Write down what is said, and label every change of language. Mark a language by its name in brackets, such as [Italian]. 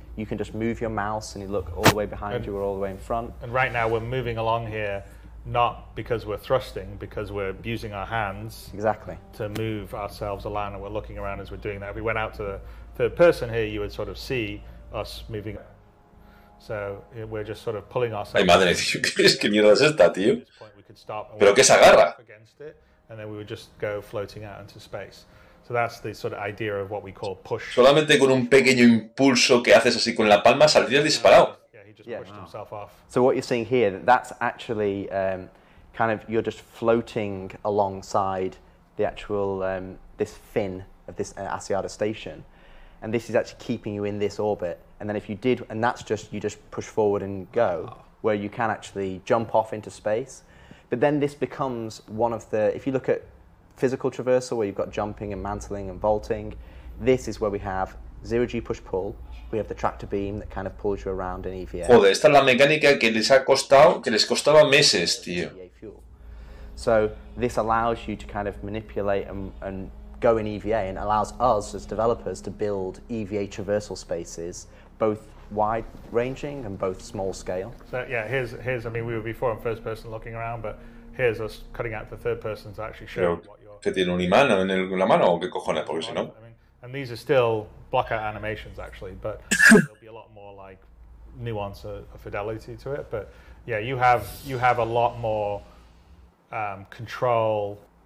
[English] You can just move your mouse and you look all the way behind you or all the way in front. And right now we're moving along here, not because we're thrusting, because we're using our hands exactly to move ourselves along, and we're looking around as we're doing that. If we went out to the third person here, you would sort of see us moving. So we're just sort of pulling ourselves. [Spanish] Ay, madre, tío, ¿qué mierda es esta, tío? Pero qué se agarra. [English] And then we would just go floating out into space. So that's the sort of idea of what we call push. [Spanish] Solamente con un pequeño impulso que haces así con la palma saldrías disparado. [English] Yeah, he just pushed himself off. So what you're seeing here, that's actually kind of you're just floating alongside the actual this fin of this Asiata station. And this is actually keeping you in this orbit. And then if you did, and that's just, you just push forward and go, where you can actually jump off into space. But then this becomes one of the, if you look at physical traversal, where you've got jumping and mantling and vaulting, this is where we have zero-G push-pull. We have the tractor beam that kind of pulls you around in EVA. [Spanish] Joder, esta es la mecánica que les ha costado, que les costaba meses, tío. [English] So this allows you to kind of manipulate and go in EVA and allows us as developers to build EVA traversal spaces, both wide ranging and both small scale. So yeah, here's I mean we were before in first person looking around, but here's us cutting out the third person to actually show what you're. [Spanish] ¿Que tiene un imán en la mano o qué cojones? Porque si no. [English] And these are still block out animations actually, but there'll be a lot more like nuance or fidelity to it. But yeah, you have a lot more control.